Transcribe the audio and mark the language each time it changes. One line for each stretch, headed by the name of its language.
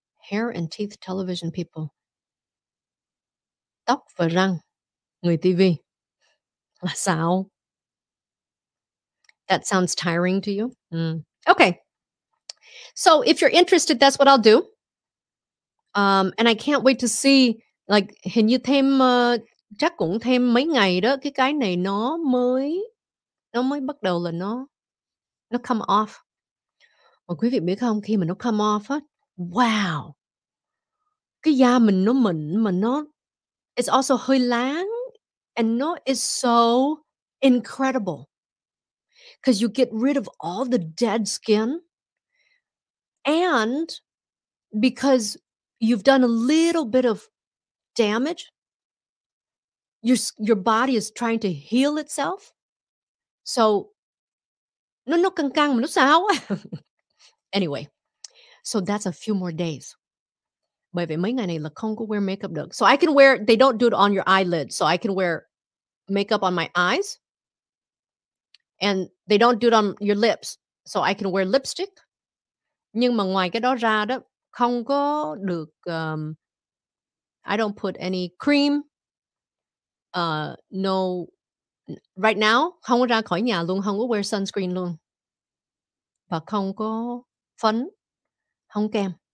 English: Hair and teeth television people.
Vietnamese: Tóc và răng. Người TV. Là sao?
English: That sounds tiring to you? Mm. Okay. So if you're interested, that's what I'll do. And I can't wait to see, like,
Vietnamese: hình như thêm, chắc cũng thêm mấy ngày đó, cái này nó mới bắt đầu là nó
English: come off.
Vietnamese: Mà quý vị biết không, khi mà nó
English: come off
Vietnamese: á, wow. Cái da mình nó mịn mà nó,
English: it's also
Vietnamese: hơi láng.
English: And
Vietnamese: nó
English: is so incredible. Because you get rid of all the dead skin. And because you've done a little bit of damage, your body is trying to heal itself. So,
Vietnamese: nó căng căng mà nó sao?
English: Anyway, so that's a few more days.
Vietnamese: Bởi vì mấy ngày này là không có
English: wear makeup
Vietnamese: được.
English: So I can wear, they don't do it on your eyelid. So I can wear makeup on my eyes. And they don't do it on your lips. So I can wear lipstick.
Vietnamese: Nhưng mà ngoài cái đó ra đó, không có được,
English: I don't put any cream. No, right now,
Vietnamese: không có ra khỏi nhà luôn, không có
English: wear sunscreen
Vietnamese: luôn. Và không có phấn, không kem.